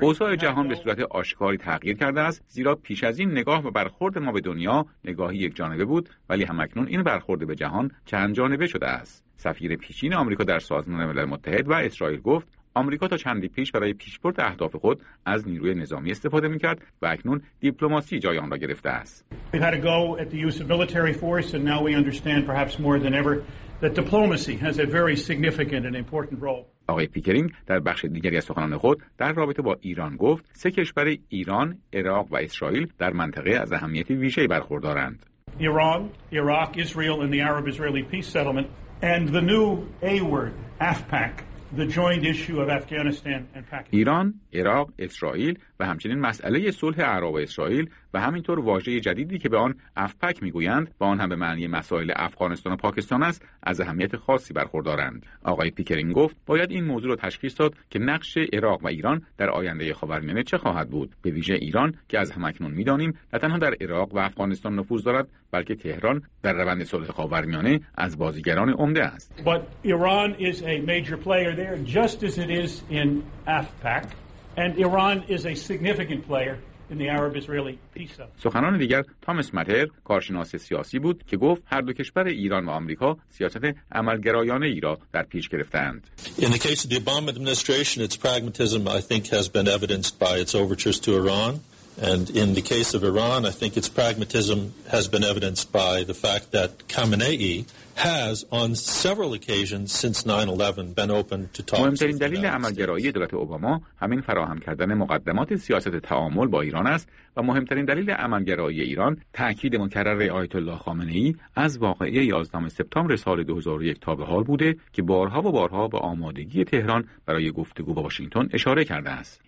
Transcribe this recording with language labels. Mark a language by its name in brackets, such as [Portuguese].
[Persian] اوضاع جهان به صورت آشکاری تغییر کرده است، زیرا پیش از این نگاه و برخورد ما به دنیا نگاهی یک جانبه بود، ولی هماکنون این برخورد به جهان چند جانبه شده است. سفیر پیشین آمریکا در سازمان ملل متحد و اسرائیل گفت: آمریکا تا چندی پیش برای پیشبرد اهداف خود از نیروی نظامی استفاده می‌کرد و اکنون دیپلماسی جای آن را گرفته است. [English] We had a go at the use of military force and now we understand perhaps more than ever that diplomacy has a very significant and important role. [Persian] آقای پیکرینگ در بخش دیگری از سخنان خود در رابطه با ایران گفت: سه کشور ایران، عراق و اسرائیل در منطقه از اهمیت ویژه‌ای برخوردارند. [English] ایران، عراق، اسرائیل و عرب-اسرائیلی پیس سیتلمنت و new a word AfPak, The joint issue of Afghanistan and Pakistan. [Persian] ایران، عراق، اسرائیل و همچنین مسئله صلح عرب و اسرائیل و همینطور واژه جدیدی که به آن افپک میگویند و آن هم به معنی مسائل افغانستان و پاکستان است، از اهمیت خاصی برخوردارند. آقای پیکرینگ گفت: باید این موضوع را تشخیص داد که نقش عراق و ایران در آینده خاورمیانه چه خواهد بود، به ویژه ایران که از هماکنون میدانیم نه تنها در عراق و افغانستان نفوذ دارد، بلکه تهران در روند صلح خاورمیانه از بازیگران عمده است. [English] But Iran is a major player there just as it is in AFPAC and Iran is a significant player in the Arab-Israeli peace talks. [Persian] سخنان دیگر تامس ماتر، کارشناس سیاسی بود که گفت: هر دو کشور ایران و آمریکا سیاست عملگرایانه ای را در پیش گرفتند. [English] In the case of the Obama administration, its pragmatism I think has been evidenced by its overtures to Iran, and in the case of Iran, I think its pragmatism has been evidenced by the fact that Khamenei has on several occasions since 9/11 been open to talk. [Persian] مهمترین دلیل عملگرایی دولت اوباما همین فراهم کردن مقدمات سیاست تعامل با ایران است و مهمترین دلیل عملگرایی ایران تاکید مکرر آیت الله خامنه ای از واقعه 11 سپتامبر سال 2001 تا به حال بوده که بارها و بارها به آمادگی تهران برای گفتگو با واشنگتن اشاره کرده است.